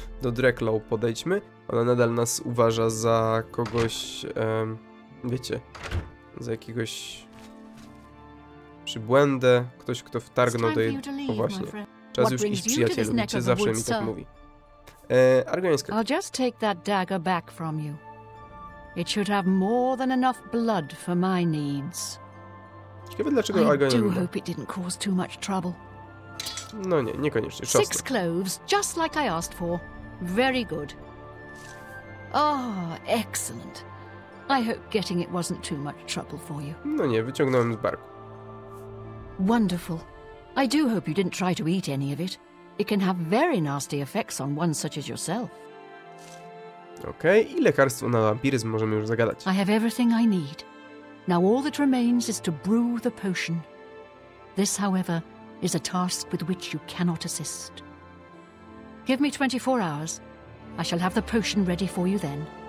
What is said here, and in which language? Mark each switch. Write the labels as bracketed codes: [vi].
[pl] Do Dreklow podejdźmy. Ona nadal nas uważa za kogoś, wiecie, za jakiegoś przybłędę. Ktoś, kto wtargnął do jej... O właśnie, czas już iść, przyjacielu, czy zawsze mi tak mówi. Argoniańska. [en] I'll just take that dagger back from you. It should have more than enough blood for my needs. [pl] Ciekawe, dlaczego argoniańska. [en] I do hope it didn't cause too much trouble. [pl] No nie, niekoniecznie. Czosno. [en] 6 cloves, just like I asked for. Very good. Oh, excellent. I hope getting it wasn't too much trouble for you. [pl] No nie, wyciągnąłem z barku. [en] Wonderful. I do hope you didn't try to eat any of it. It can have very nasty effects on one such as yourself. [pl] Okay, i lekarstwo na wampiryzm możemy już zagadać. [en] I have everything I need. Now all that remains is to brew the potion. This, however, is a task with which you cannot assist. Give me 24 hours. I shall have the potion ready for you then.